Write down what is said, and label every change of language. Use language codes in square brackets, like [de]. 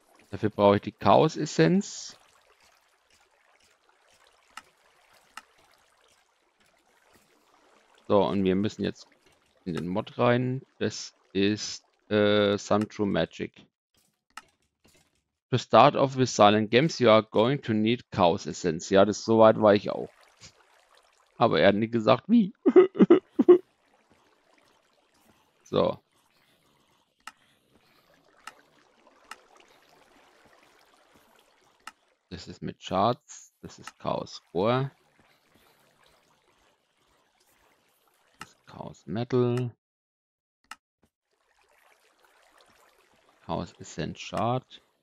[de] Dafür brauche ich die Chaos Essenz. So, und wir müssen jetzt in den Mod rein. Das ist Some True Magic. [en] To start off with Silent Gems, you are going to need Chaos Essenz. [de] Ja, das soweit war ich auch. Aber er hat nicht gesagt, wie. So. Das ist mit Charts, das ist Chaos Core, das ist Chaos Metal, Chaos Essence Chart.